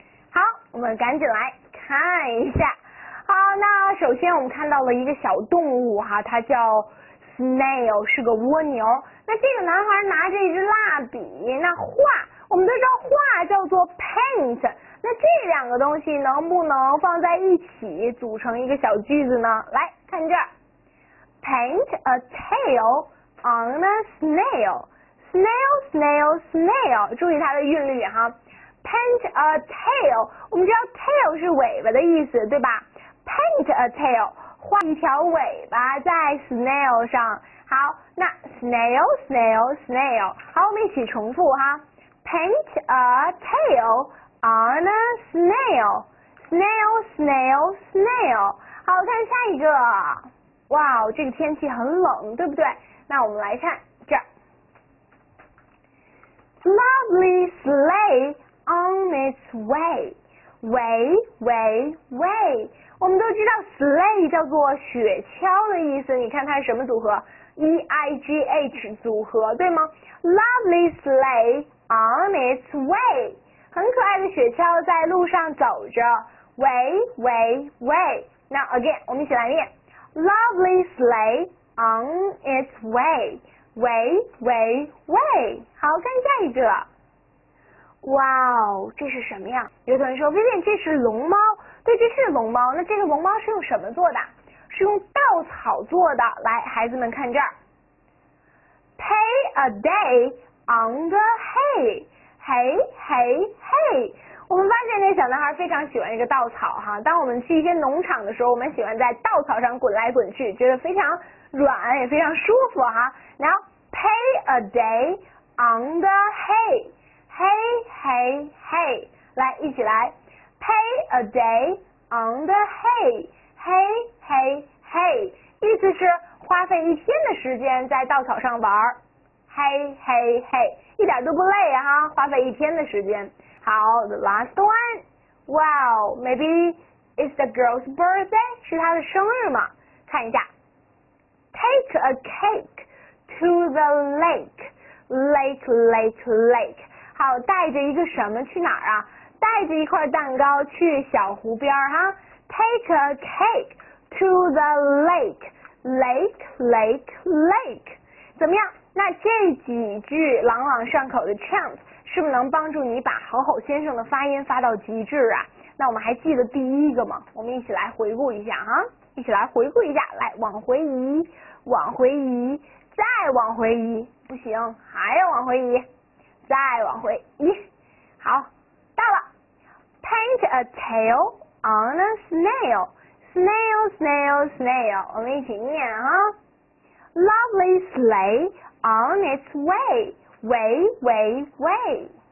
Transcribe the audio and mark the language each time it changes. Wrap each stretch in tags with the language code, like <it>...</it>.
<zh>好，我们赶紧来看一下。好，那首先我们看到了一个小动物哈，它叫 snail， 是个蜗牛。那这个男孩拿着一支蜡笔，那画，我们都知道画叫做 paint。那这两个东西能不能放在一起组成一个小句子呢？来看这儿，</zh> <en>paint a tail on a snail， snail snail snail，</en> <zh>注意它的韵律哈。</zh> <en>paint a tail，</en> <zh>我们知道 tail 是尾巴的意思对吧， paint a tail， 画一条尾巴在 snail 上。</zh> <en>好，那 snail snail snail，</en> <zh>好，我们一起重复哈，</zh> <en>paint a tailon a snail， snail snail snail。</en> <zh>好，看下一个。哇，这个天气很冷对不对，那我们来看这儿，</zh> <en>lovely sleigh on its way， way way way。</en> <zh>我们都知道 sleigh 叫做雪橇的意思，你看它是什么组合， E-I-G-H 组合对吗，</zh> <en>lovely sleigh on its way，</en> <zh>很可爱的雪橇在路上走着，</zh> <en>way way way。 Now again</en> <zh>我们一起来念，</zh> <en>lovely sleigh on its way， way way way。</en> <zh>好，看下一个。哇哦，这是什么呀？有同学说薇薇这是龙猫，对，这是龙猫。那这个龙猫是用什么做的？是用稻草做的。来，孩子们看这儿，</zh> <en>pay a day on the hay，嘿嘿嘿。</en> <zh>我们发现那小男孩非常喜欢一个稻草哈，当我们去一些农场的时候，我们喜欢在稻草上滚来滚去，觉得非常软也非常舒服哈。</zh> <en>Now pay a day on the hay， 嘿嘿嘿。</en> <zh>来，一起来，</zh> <en>pay a day on the hay，</en> <zh>嘿嘿嘿，意思是花费一天的时间在稻草上玩，嘿嘿嘿，一点都不累哈，花费一天的时间。</zh> <en>好， the last one， wow， maybe it's the girl's birthday，</en> <zh>是她的生日吗？看一下，</zh> <en>take a cake to the lake， lake lake lake。</en> <zh>好，带着一个什么去哪儿啊？带着一块蛋糕去小湖边哈，</zh> <en>take a cake to the lake， lake lake lake。</en> <zh>怎么样，那这几句朗朗上口的 chant 是不是能帮助你把好好先生的发音发到极致啊？那我们还记得第一个吗？我们一起来回顾一下哈，一起来回顾一下。来，往回移，往回移，再往回移，不行，还要往回移，再往回移。好，到了，</zh> <en>paint a tail on a snail， snail snail snail，</en> <zh>我们一起念哈，</zh> <en>lovely sleigh on its way， way way way。</en>